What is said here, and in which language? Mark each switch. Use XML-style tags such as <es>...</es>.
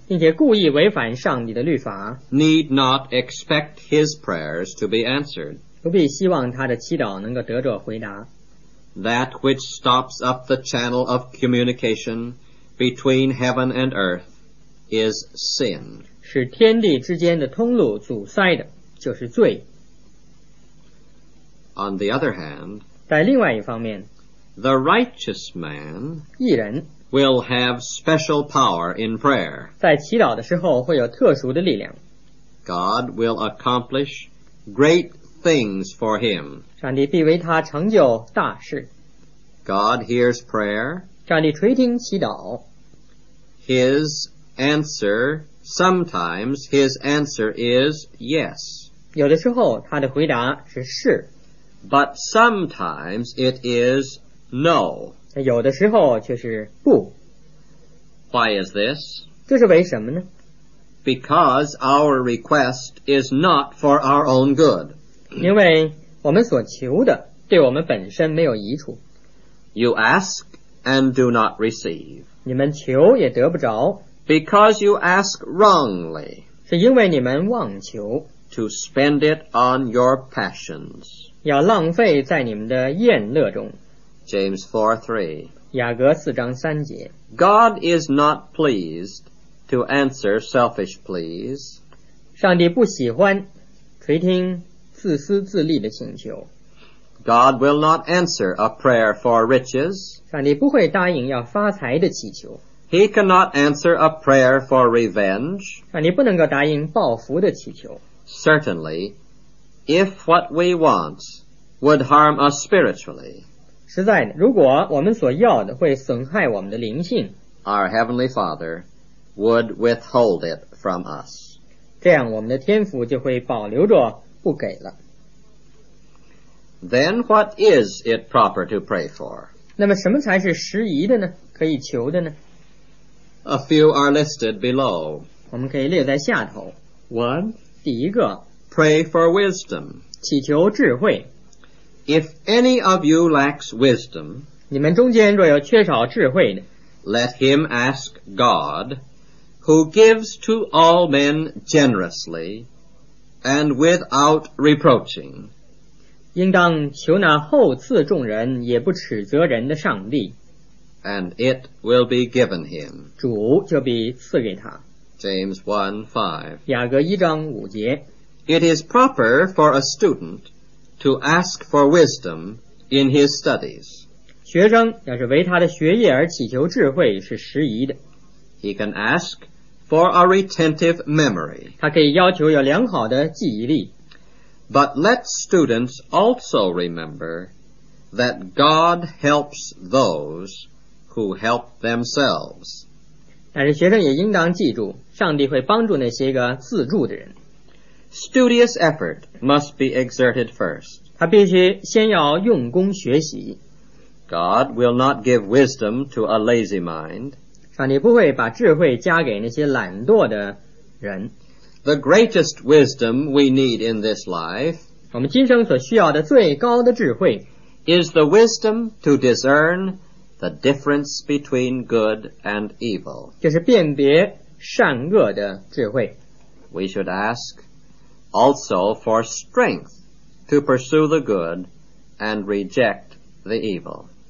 <zh>并且故意违反上帝的律法，</zh> <en>need not expect his prayers to be answered.</en> <zh>不必希望他的祈祷能够得着回答。</zh> <en>That which stops up the channel of communication between heaven and earth is sin.</en> <zh>使天地之间的通路阻塞的就是罪。</zh> <en>On the other hand,</en> <zh>在另外一方面，</zh> <en>The righteous man</en> <zh>义人</zh> <en>will have special power in prayer.</en> <zh>在祈祷的时候会有特殊的力量。</zh> <en>God will accomplish great things for him.</en> <zh>上帝必为他成就大事。</zh> <en>God hears prayer.</en> <zh>上帝垂听祈祷。</zh> <en>His answer, sometimes his answer is yes.</en> <zh>有的时候他的回答是是。</zh> <en>But sometimes it is no.</en> <zh>有的时候却是不。</zh> <en>Why is this?</en> <zh>这是为什么呢？</zh> <en>Because our request is not for our own good.</en> <zh>因为我们所求的对我们本身没有益处。</zh> <en>You ask and do not receive.</en> <zh>你们求也得不着。</zh> <en>Because you ask wrongly.</en> <zh>是因为你们妄求。</zh> <en>To spend it on your passions.</en> <zh>要浪费在你们的宴乐中。</zh> <en>James 4:3.</en> <zh>雅各四章三节。</zh> <en>God is not pleased. To answer selfish pleas.</en> <zh>上帝不喜欢垂听自私自利的请求。</zh> <en>God will not answer a prayer for riches.</en> <zh>上帝不会答应要发财的祈求。</zh> <en>He cannot answer a prayer for revenge.</en> <zh>上帝不能够答应报复的祈求。</zh> <en>Certainly, if what we want would harm us spiritually.</en> <zh>实在的，如果我们所要的会损害我们的灵性。</zh> <en>Our Heavenly Father,would withhold it from us.</en> <zh>这样我们的天父就会保留着不给了。</zh> <en>Then what is it proper to pray for?</en> <zh>那么什么才是适宜的呢？可以求的呢？</zh> <en>A few are listed below.</en> <zh>我们可以列在下头。</zh> <en>One,</en> <zh>第一个，</zh> <en>pray for wisdom.</en> <zh>祈求智慧。</zh> <en>If any of you lacks wisdom,</en> <zh>你们中间若有缺少智慧的，</zh> <en>let him ask God,Who gives to all men generously and without reproaching.</en> <zh>应当求那厚赐众人也不斥责人的上帝。</zh> <en>And it will be given him.</en> <zh>主就必赐给他。</zh> <en>James 1:5.</en> <zh>雅各一章五节。</zh> <en>It is proper for a student to ask for wisdom in his studies.</en> <zh>学生要是为他的学业而祈求智慧是时宜的。</zh> <en>He can ask,For a retentive memory.</en> <zh>他可以要求有良好的记忆力。</zh> <en>But let students also remember that God helps those who help themselves.</en> <zh>但是学生也应当记住，上帝会帮助那些个自助的人。</zh> <en>Studious effort must be exerted first.</en> <zh>他必须先要用功学习。</zh> <en>God will not give wisdom to a lazy mind.</en> <zh>上帝不会把智慧加给那些懒惰的人。</zh> <en>The greatest wisdom we need in this life,</en> <zh>我们今生所需要的最高的智慧，</zh> <en>is the wisdom to discern the difference between good and evil.</en> <zh>就是辨别善恶的智慧。</zh> <en>We should ask also for strength to pursue the good and reject the evil.</en>